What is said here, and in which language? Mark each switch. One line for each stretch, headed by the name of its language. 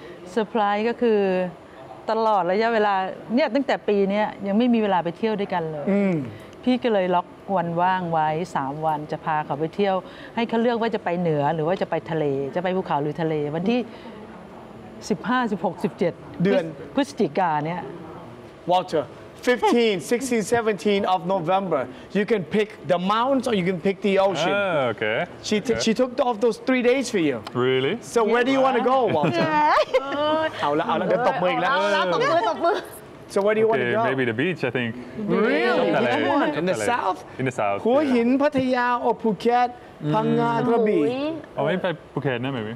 Thai: เซอร์ไพรส์ก็คือตลอดระยะเวลาเนี่ยตั้งแต่ปีนี้ยังไม่มีเวลาไปเที่ยวด้วยกันเลยพี่ก็เลยล็อกวันว่างไว้3วันจะพาเขาไปเที่ยวให้เขาเลือกว่าจะไปเหนือหรือว่าจะไปทะเลจะไปภูเขาหรือทะเลวันที่15 16 17 เดือน พฤศจิกาเนี่ย
English: Walter 15 16 17 of November you can pick the mountains or you can pick the ocean okay she took off those 3 days for you really so where do you want to go Walter
Thai: เอาละเดี๋ยวตบมืออีกแล้ว ตบมือ
English: so where do you want to go maybe the beach I think really in the south
Thai: หัวหินพัทยาหรือภูเก็ตพังงากระบี่ไปภูเก็ตนะ
English: maybe